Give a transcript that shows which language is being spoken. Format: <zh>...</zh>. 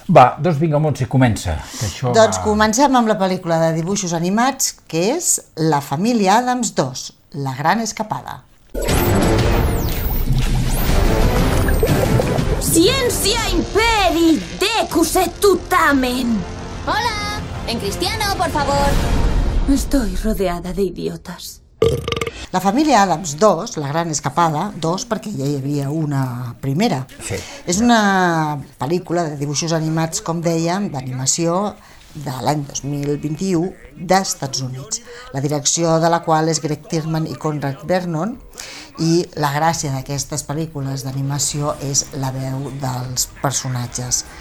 <ca>Va, doncs vinga, Montse, comença. Que això doncs va... comencem amb la pel·lícula de dibuixos animats, que és La família Addams 2, la gran escapada. Ciència imperi, decuse tutamen.</ca> <es>Hola, en cristiano, por favor. Estoy rodeada de idiotas.</es> <ca>La família Addams 2, la gran escapada, 2 perquè ja hi havia una primera. Sí. És una pel·lícula de dibuixos animats, com dèiem, d'animació de l'any 2021 d'Estats Units, la direcció de la qual és Greg Tierman i Conrad Vernon, i la gràcia d'aquestes pel·lícules d'animació és la veu dels personatges.</ca>